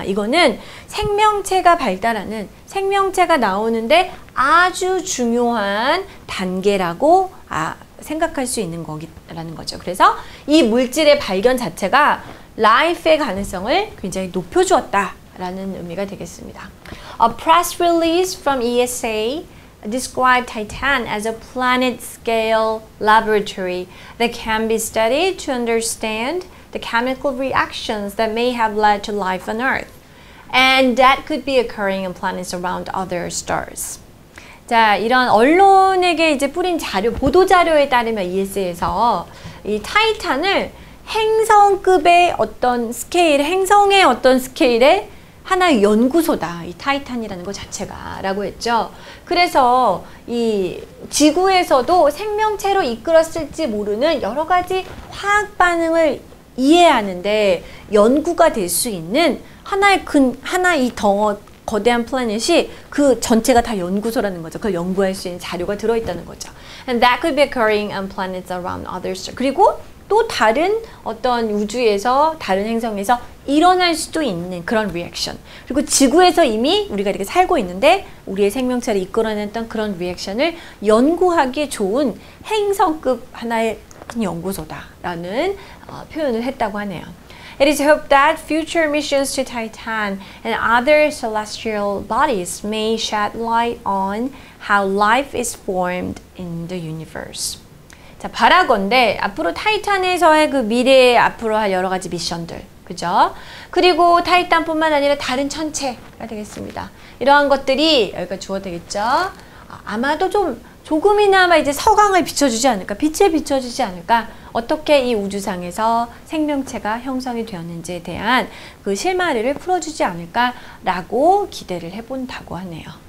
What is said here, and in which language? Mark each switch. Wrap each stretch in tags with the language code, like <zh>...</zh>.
<ko>이거는 생명체가 발달하는 생명체가 나오는데 아주 중요한 단계라고 생각할 수 있는 거라는 거죠. 그래서 이 물질의 발견 자체가 life의 가능성을 굉장히 높여주었다라는 의미가 되겠습니다.</ko> <en>A press release from ESA described Titan as a planet-scale laboratory that can be studied to understand the chemical reactions that may have led to life on Earth and that could be occurring in planets around other stars.</en> <ko>자, 이런 언론에게 이제 뿌린 자료, 보도 자료에 따르면 ESA에서 이 타이탄을 행성급의 어떤 스케일, 행성의 어떤 스케일의 하나의 연구소다. 이 타이탄이라는 것 자체가 라고 했죠. 그래서 이 지구에서도 생명체로 이끌었을지 모르는 여러 가지 화학 반응을 이해하는데 연구가 될 수 있는 하나의 큰, 하나의 더 거대한 플래닛이 그 전체가 다 연구소라는 거죠. 그걸 연구할 수 있는 자료가 들어있다는 거죠.</ko> <en>And that could be occurring on planets around other stars.</en> <ko>그리고 또 다른 어떤 우주에서 다른 행성에서 일어날 수도 있는 그런 리액션. 그리고 지구에서 이미 우리가 이렇게 살고 있는데 우리의 생명체를 이끌어냈던 그런 리액션을 연구하기에 좋은 행성급 하나의 큰 연구소다라는 표현을 했다고 하네요.</ko> <en>It is hoped that future missions to Titan and other celestial bodies may shed light on how life is formed in the universe.</en> <ko>자, 바라건대 앞으로 타이탄에서의 그 미래에 앞으로 할 여러 가지 미션들, 그죠? 그리고 타이탄뿐만 아니라 다른 천체가 되겠습니다. 이러한 것들이 여기가 주어 되겠죠? 아마도 좀 조금이나마 이제 서광을 비춰주지 않을까, 빛을 비춰주지 않을까, 어떻게 이 우주상에서 생명체가 형성이 되었는지에 대한 그 실마리를 풀어주지 않을까라고 기대를 해본다고 하네요.</ko>